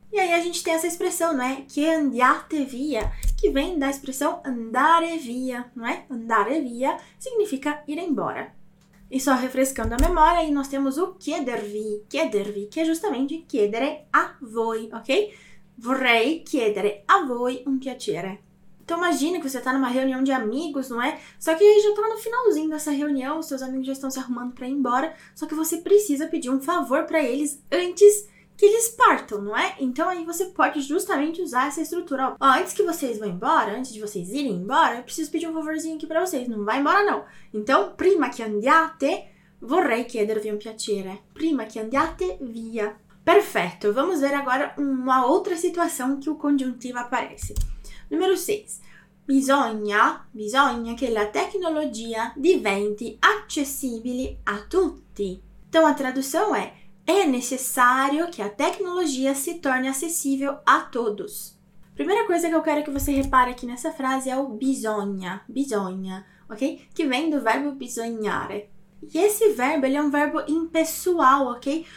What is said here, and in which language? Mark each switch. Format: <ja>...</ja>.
<pt>E aí a gente tem essa expressão, não é?</pt> <it>Che andiate via,</it> <pt>que vem da expressão</pt> <it>andare via,</it> <pt>não é?</pt> <it>Andare via</it> <pt>significa ir embora. E só refrescando a memória, aí nós temos o chiedervi, que é justamente</pt> <it>chiedere a voi,</it> <pt>ok?</pt> <it>Vorrei chiedere a voi un piacere.</it> <pt>Então imagina que você está numa reunião de amigos, não é? Só que aí já está no finalzinho dessa reunião, seus amigos já estão se arrumando para ir embora, só que você precisa pedir um favor para eles antes que eles partam, não é? Então aí você pode justamente usar essa estrutura. Ó, antes que vocês vão embora, antes de vocês irem embora, eu preciso pedir um favorzinho aqui para vocês. Não vai embora, não.</pt> <it>Então, prima che andiate, vorrei chiedervi un piacere. Prima che andiate, via. Perfetto.</it> <pt>Vamos ver agora uma outra situação que o conjuntivo aparece. Número 6.</pt> <it>Bisogna che la tecnologia diventi accessibile a tutti.</it> <pt>Então, a tradução é necessário que a tecnologia se torne acessível a todos. Primeira coisa que eu quero que você repare aqui nessa frase é o bisogna, ok? Que vem do verbo bisognare. E esse verbo, ele é um verbo impessoal, ok?</pt>